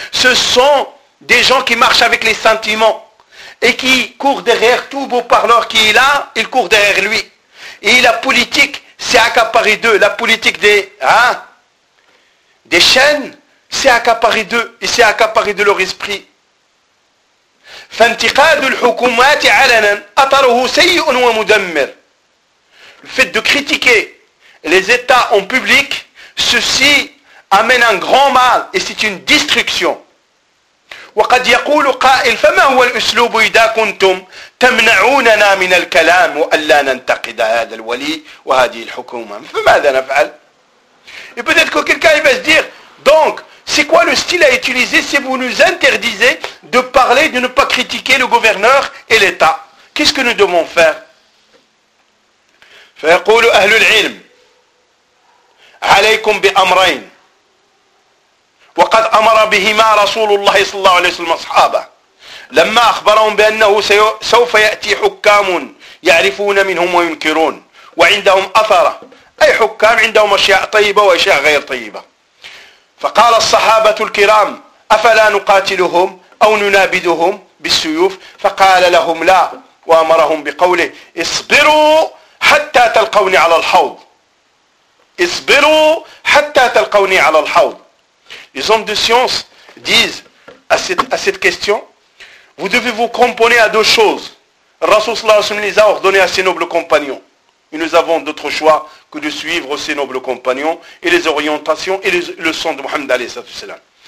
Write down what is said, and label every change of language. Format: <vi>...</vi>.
<fr>Ce sont des gens qui marchent avec les sentiments. Et qui court derrière tout beau parleur qui est là, il court derrière lui. Et la politique, c'est accaparé d'eux. La politique des, hein, des chaînes, c'est accaparé d'eux. Et c'est accaparé de leur esprit.</fr> <ar>فانتقاد الحكومات علنا أطره سيء ومدمر.</ar> <fr>Le fait de critiquer les états en public, ceci amène un grand mal et c'est une destruction.</fr> <ar>وقد يقول قائل فما هو الأسلوب إذا كنتم تمنعوننا من الكلام وألا ننتقد هذا الولي وهذه الحكومة فماذا نفعل.</ar> <fr>Et peut-être que quelqu'un va se dire, donc c'est quoi le style à utiliser si vous nous interdisez de parler, de ne pas critiquer le gouverneur et l'État? Qu'est-ce que nous devons faire?</fr> <ar>فيقول أهل العلم عليكم بأمرين وقد أمر بهما رسول الله صلى الله عليه وسلم أصحابه لما أخبرهم بأنه سوف يأتي حكام يعرفون منهم وينكرون وعندهم أثرة أي حكام عندهم أشياء طيبة وأشياء غير طيبة. فقال الصحابة الكرام أفلا نقاتلهم أو ننابذهم بالسيوف؟ فقال لهم لا وأمرهم بقوله اصبروا حتى تلقوني على الحوض. اصبروا حتى تلقوني على الحوض.</ar> <fr>Les hommes de science disent à cette question, vous devez vous cramponner à deux choses. Rasoul sallallahu alayhi wa sallam les a ordonné à ses nobles compagnons. Et nous avons d'autres choix que de suivre ses nobles compagnons et les orientations et les leçons de Mohammed alayhi sallallahu alayhi wa sallam.</fr>